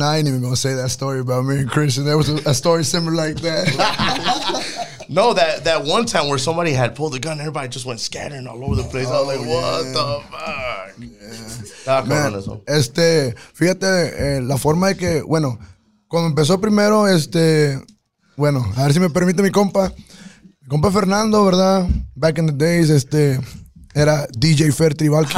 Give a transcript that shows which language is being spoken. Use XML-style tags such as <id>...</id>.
<en>Hey, I ain't even gonna say that story about me and Christian. There was a story similar like that. No, that one time where somebody had pulled the gun, everybody just went scattering all over the place. Oh, I was like, what the fuck? Yeah.</en> <es>Man, fíjate, la forma de que, bueno, cuando empezó primero, bueno, a ver si me permite mi compa. Compa Fernando, ¿verdad?</es> <en>Back in the days, era DJ Fer Tribal King.</en>